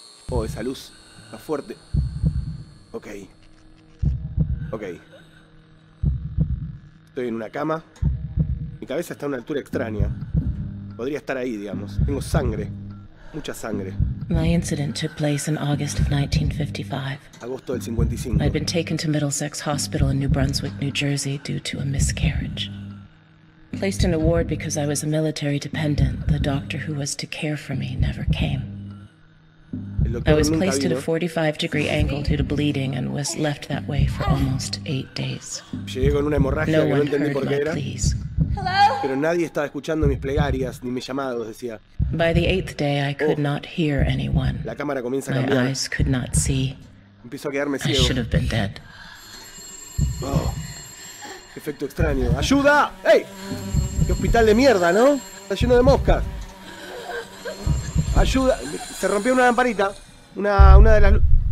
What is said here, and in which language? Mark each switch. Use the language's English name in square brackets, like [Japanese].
[Spanish] Oh, esa luz está fuerte. Ok. Estoy en una cama. Mi cabeza está a una altura extraña. Podría estar ahí, digamos. Tengo sangre. Mucha sangre. [English] My incident took place in August of 1955. [Spanish] Agosto del 55. [English] I'd been taken to Middlesex Hospital in New Brunswick, New Jersey, due to a miscarriage. Placed in a ward because I was a military dependent, the doctor who was to care for me never came. I was placed at a 45-degree angle due to bleeding and was left that way for almost 8 days. [Spanish] Llegué con una hemorragia que no entendí por qué era. [English] Hello? [Spanish] Pero nadie estaba escuchando mis plegarias ni mis llamados, decía. [English] By the 8th day, I could not hear anyone. [Spanish] La cámara comienza a cambiar. [English] My eyes could not see. [Spanish] Empiezo a quedarme ciego. [English] I should have been dead. [Spanish] Oh, efecto extraño. ¡Ayuda! ¡Ey! ¡Qué hospital de mierda, ¿no? Está lleno de moscas. Ayuda, se rompió una lamparita. Una de las luces.